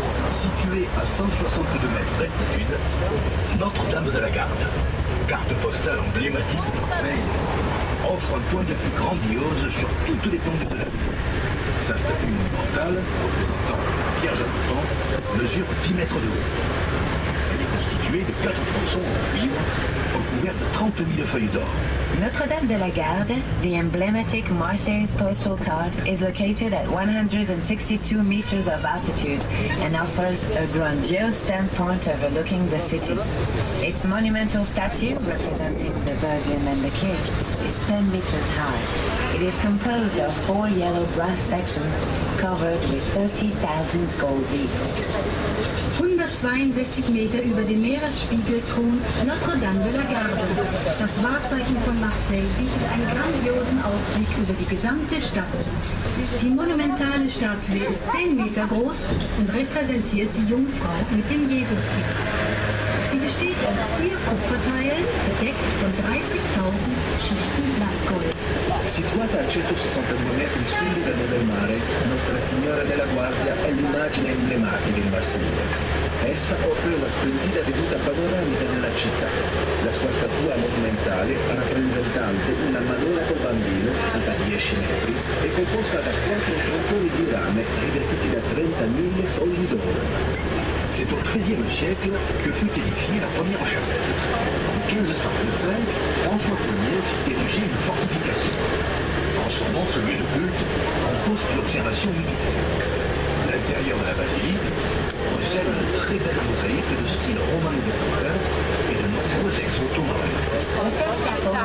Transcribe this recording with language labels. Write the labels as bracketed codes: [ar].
[fr] Située à 162 mètres d'altitude, Notre-Dame de la Garde, carte postale emblématique de Marseille, offre un point de vue grandiose sur toutes les pentes de la ville. Sa statue monumentale, représentant Pierre-Jacques-Vent, mesure 10 mètres de haut. Elle est constituée de 4 tronçons en cuivre, recouverts de 30 000 feuilles d'or. [en] Notre-Dame de la Garde, the emblematic Marseille's postal card, is located at 162 meters of altitude and offers a grandiose standpoint overlooking the city. Its monumental statue, representing the Virgin and the King, is 10 meters high. It is composed of four yellow brass sections covered with 30,000 gold leaves. [de] 162 Meter über dem Meeresspiegel thront Notre-Dame de la Garde. Das Wahrzeichen von Marseille bietet einen grandiosen Ausblick über die gesamte Stadt. Die monumentale Statue ist 10 Meter groß und repräsentiert die Jungfrau mit dem Jesuskind. Sie besteht aus 4 Kupferteilen, bedeckt von 30.000 Schichten Blattgold. [it] Situata a 169 metri sul livello del mare, Nostra Signora della Guardia è l'immagine emblematica in Marsiglia. Essa offre una splendida veduta panoramica della città. La sua statua monumentale, rappresentante una Madonna col Bambino, alta 10 metri, è composta da 4 tronconi di rame rivestiti da 30.000 fogli d'oro. [fr] C'est au XIIIe siècle que fut édifiée la première chapelle. En 1525, François Ier fit ériger une fortification, transformant ce lieu de culte en poste d'observation militaire. L'intérieur de la basilique recèle une très belle mosaïque de style roman de Pantin et de nombreux ex-automarins.